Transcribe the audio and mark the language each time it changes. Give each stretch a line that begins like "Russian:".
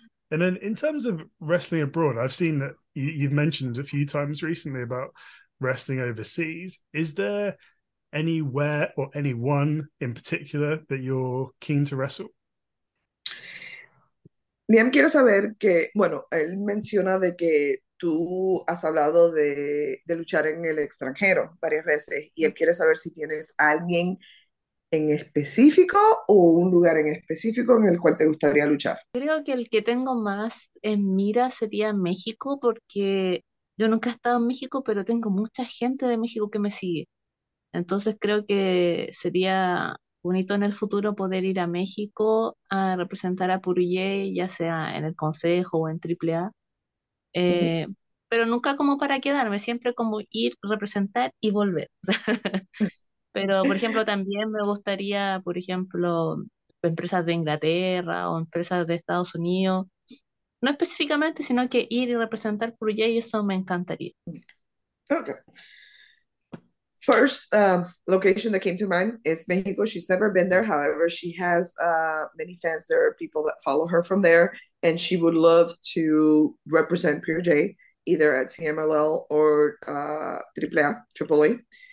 English: And then in terms of wrestling abroad, I've seen that you've mentioned a few times recently about wrestling overseas. Is there anywhere or anyone in particular that you're keen to wrestle?
Spanish: Liam, quiero saber que, bueno, él menciona de que tú has hablado de luchar en el extranjero varias veces, y él quiere saber si tienes alguien en específico o un lugar en específico en el cual te gustaría luchar. Creo que el que tengo más en mira sería México, porque yo nunca he estado en México, pero tengo mucha gente de México que me sigue. Entonces creo que sería bonito en el futuro poder ir a México a representar a Puruye, ya sea en el Consejo o en AAA. Pero nunca como para quedarme, siempre como ir, representar y volver. Pero, por ejemplo, también me gustaría, por ejemplo, empresas de Inglaterra o empresas de Estados Unidos. No específicamente, sino que ir y representar por ella, y eso me encantaría.
English: Okay. First location that came to mind is Mexico. She's never been there. However, she has many fans. There are people that follow her from there. And she would love to represent PureJ either at CMLL or AAA, Tripoli.